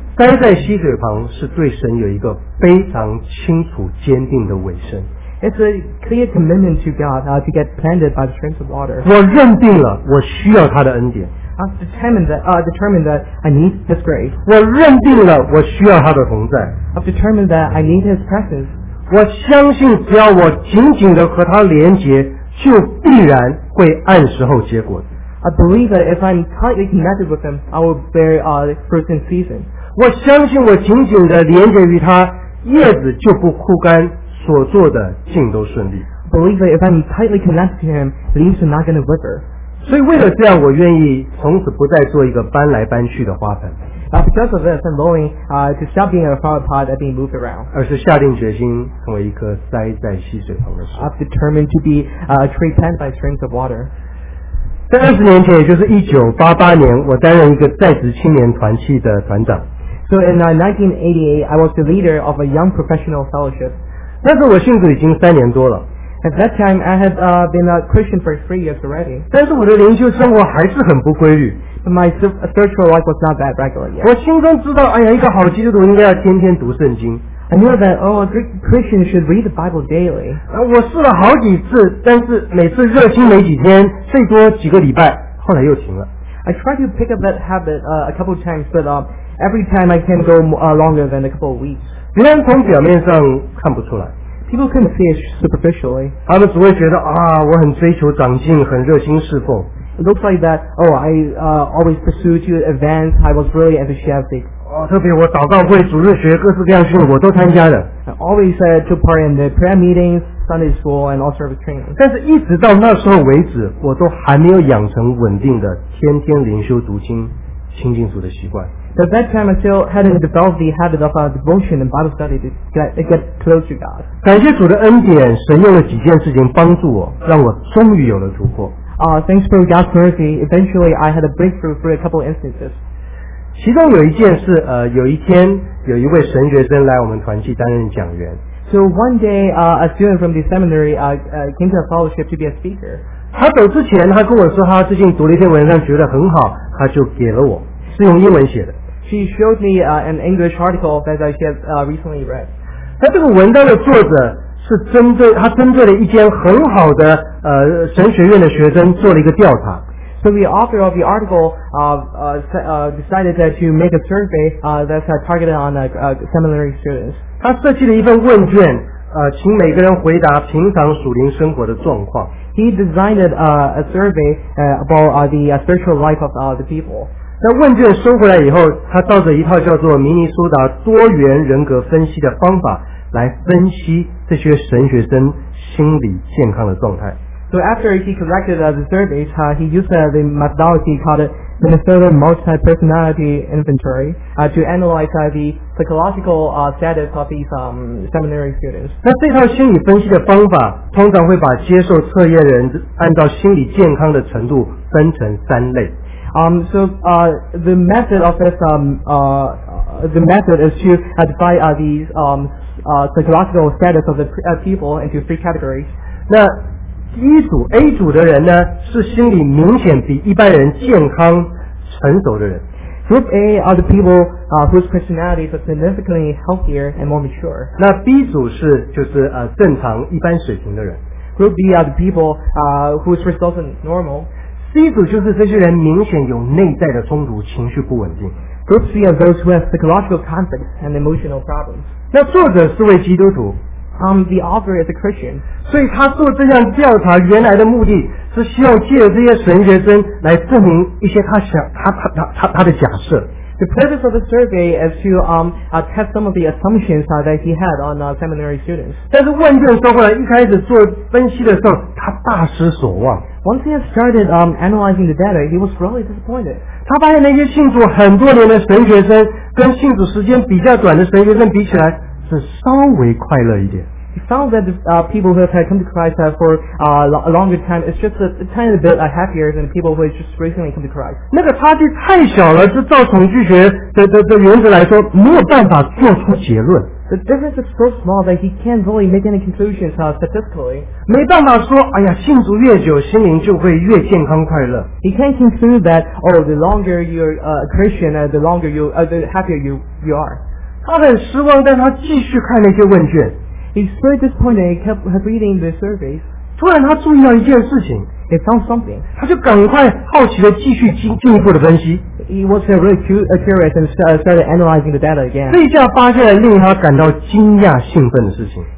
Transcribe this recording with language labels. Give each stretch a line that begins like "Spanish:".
Chinese: 待在溪水旁是对神有一个非常清楚坚定的委身。
English: It's a clear commitment to God to get planted by the streams of water.
Chinese: 我认定了我需要他的恩典。
English: I've determined that I need His grace.
Chinese: 我认定了我需要他的同在。
English: I've determined that I need His presence.
Chinese: 我相信只要我紧紧地和他连结，就必然会按时候结果。
English: I believe that if I'm tightly connected with Him, I will bear fruit in season.
Chinese: 我相信我紧紧地连接于他，叶子就不枯干，所做的尽都顺利。
English: Believe that if I'm tightly connected to him, leaves are not going to wither.
Chinese: 所以为了这样，我愿意从此不再做一个搬来搬去的花盆。
English: Because of this, I'm willing to stop being a flower pot that's being moved around.
Chinese: 而是下定决心成为一棵栽在溪水旁的树。
English: I've determined to be a tree planted by streams of water.
Chinese: 在二十年前，也就是1988年，我担任一个在职青年团契的团长。
English: So in 1988, I was the leader of a young professional fellowship.
Chinese: 但是我信主已经三年多了。
English: At that time, I had been a Christian for 3 years already.
Chinese: 但是我的灵修生活还是很不规律。
English: But my spiritual life was not that regular yet.
Chinese: 我心中知道，哎呀，一个好基督徒应该要天天读圣经。
English: I knew that, a good Christian should read the Bible daily.
Chinese: 我试了好几次，但是每次热心没几天，最多几个礼拜，后来又停了。
English: I tried to pick up that habit a couple of times, but every time I can go longer than a couple of weeks.
Chinese: 别人从表面上看不出来。
English: People can see it superficially.
Chinese: 他们只会觉得啊，我很追求长进，很热心侍奉。
English: It looks like that. I always pursue to advance. I was really enthusiastic.
Chinese: 特别我祷告会、主日学、各式各样训练我都参加的。
English: I always took part in the prayer meetings, Sunday school, and all service training.
Chinese: 但是一直到那时候为止，我都还没有养成稳定的天天灵修读经、亲近主的习惯。
English: At that time, I still hadn't developed the habit of devotion and Bible study to get close to God.
Chinese: 感谢主的恩典，神用了几件事情帮助我，让我终于有了突破。
English: Thanks for God's mercy. Eventually, I had a breakthrough for a couple instances.
Chinese: 其中有一件事，有一天有一位神学生来我们团契担任讲员。
English: So one day, a student from the seminary came to our fellowship to be a speaker.
Chinese: 他走之前，他跟我说他最近读了一篇文章，觉得很好，他就给了我。是用英文写的。
English: She showed me an English article that she has recently read.
Chinese: 那这个文章的作者是针对了一间很好的神学院的学生做了一个调查。
English: So the author of the article decided that to make a survey that's targeted on seminary students.
Chinese: 他设计了一份问卷，请每个人回答平常属灵生活的状况。
English: He designed a survey about the spiritual life of the people.
Chinese: 那问卷收回来以后，他照着一套叫做明尼苏达多元人格分析的方法来分析这些神学生心理健康的状态。
English: So after he collected the surveys, he used the methodology called Minnesota Multi-Personality Inventory to analyze the psychological status of these seminary students.
Chinese: 那这套心理分析的方法通常会把接受测验人按照心理健康的程度分成三类。
English: The method of this the method is to divide these psychological status of the people into three categories.
Chinese: 那一组 A 组的人呢，是心理明显比一般人健康成熟的人。
English: Group A are the people whose personalities are significantly healthier and more mature.
Chinese: 那 B 组是就是正常一般水平的人。
English: Group B are the people whose results are normal.
Chinese: C 组就是这些人明显有内在的冲突，情绪不稳定。
English: Group C are those who have psychological conflicts and emotional problems.
Chinese: 那作者是位基督徒。
English: The author is a Christian.
Chinese: 所以他做这项调查原来的目的是希望借着这些神学生来证明一些他的假设。
English: The purpose of the survey is to test some of the assumptions that he had on seminary students.
Chinese: 但是问卷收回来，一开始做分析的时候，他大失所望。
English: Once he had started analyzing the data, he was really disappointed.
Chinese: 他发现那些信主很多年的神学生跟信主时间比较短的神学生比起来。是稍微快乐一点。
English: He found that people who have come to Christ for a longer time is just a tiny bit happier than people who have just recently come to Christ.
Chinese: 那个差距太小了，就照统计学的原则来说，没有办法做出结论。
English: The difference is so small that he can't really make any conclusions statistically.
Chinese: 没办法说，哎呀，信主越久，心灵就会越健康快乐。
English: He can't conclude that, oh, the longer you're a Christian, the longer you, the happier you are.
Chinese: 他很失望，但他继续看那些问卷。
English: He's very disappointed. He kept reading the surveys.
Chinese: 突然，他注意到一件事情。
English: He found something.
Chinese: 他就赶快好奇的继续进一步的分析。
English: He was really curious and started analyzing the data again.
Chinese: 这一下发现了令他感到惊讶兴奋的事情。